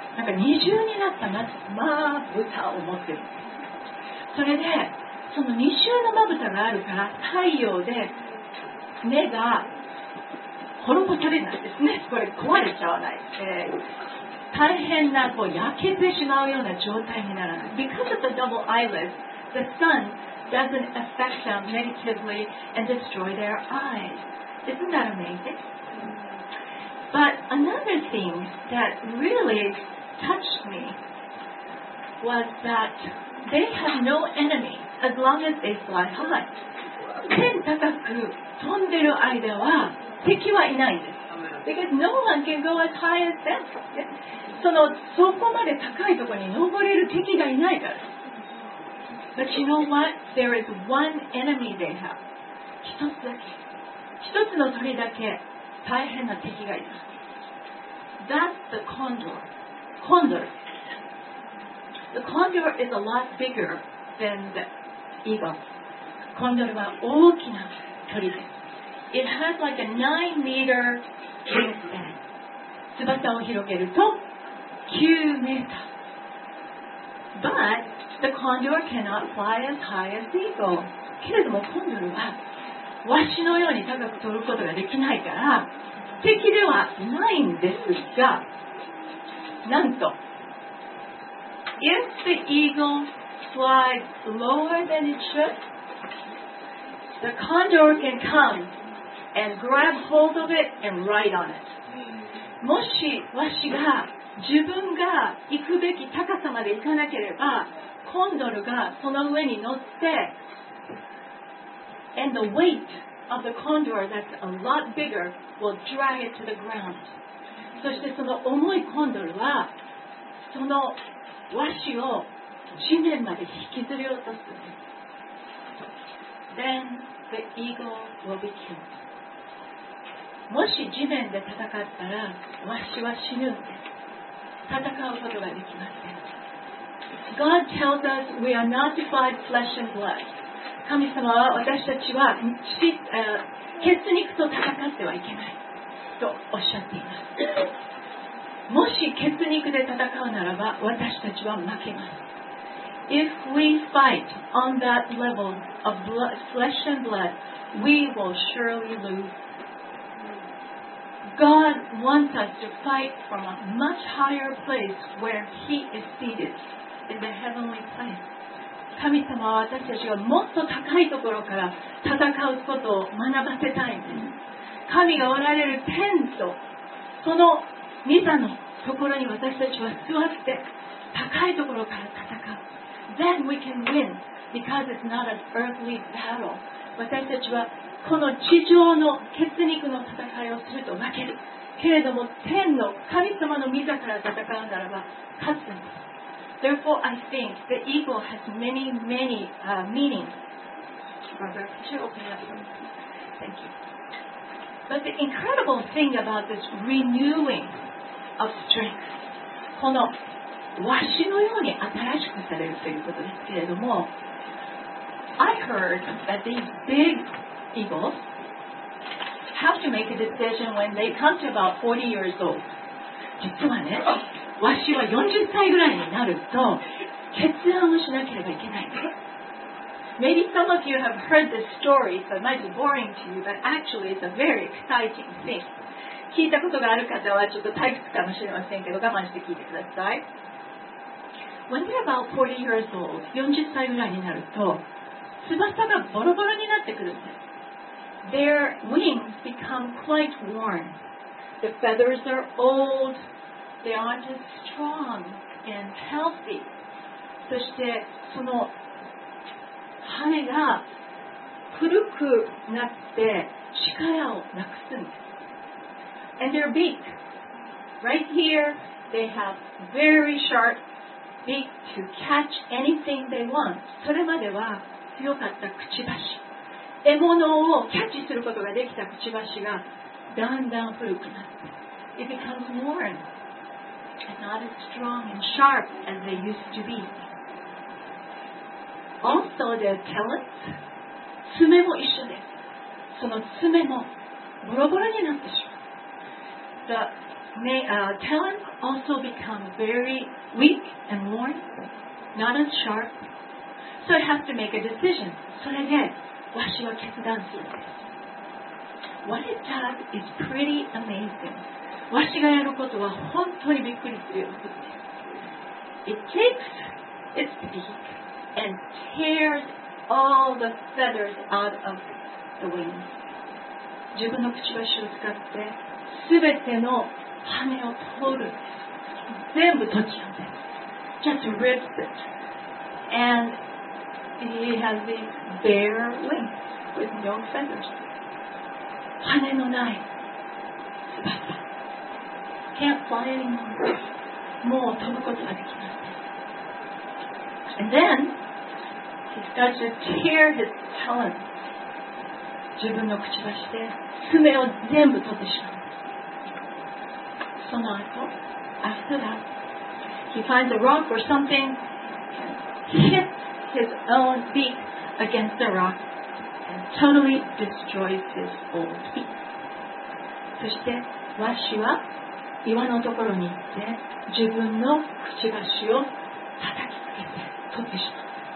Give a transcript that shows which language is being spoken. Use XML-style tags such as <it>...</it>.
<ja>なんか二重になったまぶたを持ってる。それで、その二重のまぶたがあるから、太陽で目が滅ぼされないですね。これ壊れちゃわない。大変なこう焼けてしまうような状態にならない。</ja> <en>Because of the double eyelids, the sun doesn't affect them negatively and destroy their eyes. Isn't that amazing? But another thing that really touched me was that they have no enemy as long as they fly high.</en> <ja>天高く飛んでる間は敵はいないんです。</ja> <en>Because no one can go as high as them.</en> <ja>その、そこまで高いところに登れる敵がいないから。</ja> <en>But you know what? There is one enemy they have.</en> <ja>一つだけ。一つの鳥だけ。大変な敵がいる。</ja> <en>That's the condor. Condor. The condor is a lot bigger than the eagle.</en> <ja>Condor は大きな鳥です。</ja> <en>It has like a 9 meter wingspan.</en> <ja>翼を広げると9メーター。</ja> <en>But the condor cannot fly as high as the eagle.</en> <ja>けれどもコンドルはワシのように高く飛ぶことができないから敵ではないんですが、なんと、</ja> <en>If the eagle flies lower than it should, the condor can come and grab hold of it and ride on it.</en> <ja>もしワシが自分が行くべき高さまで行かなければ、コンドルがその上に乗って、</ja> <en>and the weight of the condor that's a lot bigger. Will drag it to the ground.</en> <ja>そしてその重いコンドルはそのワシを地面まで引きずり落とす。</ja> <en>Then the eagle will be killed.</en> <ja>もし地面で戦ったらワシは死ぬんです。戦うことができません。</ja> <en>God tells us we are not to fight flesh and blood.</en> <ja>神様は私たちは血肉と戦ってはいけないとおっしゃっています。もし血肉で戦うならば私たちは負けます。</ja> <en>If we fight on that level of blood, flesh and blood, we will surely lose. God wants us to fight from a much higher place where He is seated in the heavenly place.</en> <ja>神様は私たちがもっと高いところから戦うことを学ばせたいんです。神がおられる天とその御座のところに私たちは座って高いところから戦う。</ja> <en>Then we can win because it's not an earthly battle.</en> <ja>私たちはこの地上の血肉の戦いをすると負けるけれども、天の神様の御座から戦うならば勝つんです。</ja> <en>Therefore I think the eagle has many many meanings. Thank you. But the incredible thing about this renewingOf strength.</en> <ja>このワシのように新しくされるということですけれども、</ja> <en>I heard that these big eagles have to make a decision when they come to about 40 years old.</en> <ja>実はね、ワシは40歳ぐらいになると決断をしなければいけない。</ja> <en>Maybe some of you have heard this story, so it might be boring to you, but actually it's a very exciting thing.</en> <ja>聞いたことがある方はちょっと退屈かもしれませんけど、我慢して聞いてください。</ja> <en>When you're about 40 years old,</en> <ja>40歳ぐらいになると、翼がボロボロになってくるんです。</ja> <en>Their wings become quite worn. The feathers are old. They aren't as strong and healthy.</en> <ja>そしてその羽が古くなって力をなくすんです。</ja> <en>And their beak, right here, they have very sharp beak to catch anything they want.</en> <ja>それまでは強かったくちばし、獲物をキャッチすることができたくちばしがだんだん古くなって、</ja> <en>It becomes worn and not as strong and sharp as they used to be. Also, their talons,</en> <ja>爪も一緒です。その爪もボロボロになってしまう。</ja> <en>The talons also become very weak and worn, not as sharp. So I have to make a decision.</en> <ja>それで、わしは決断するんです。</ja> <en>What it does is pretty amazing.</en> <ja>わしがやることは本当にびっくりするようなことです。</ja> <en>It takes its beak and tears all the feathers out of the wings.</en> <ja>自分のくちばしを使って、全ての羽を取る、全部取っちゃうんです。</ja> <en>Just rips it. And he has these bare wings with no feathers.</en> <ja>羽のない翼、</ja> <en>Can't fly anymore.</en> <ja>もう飛ぶことができません。</ja> <en>And then he starts to tear his talons.</en> <ja>自分のくちばしで爪を全部取ってしまう。その後、</ja> <en>after that, he finds a rock or something, hits his own beak against the rock, and totally destroys his old beak.</en> <ja>そして、ワシは岩のところに行って、自分のくちばしを叩きつけて、取ってしまう。</ja>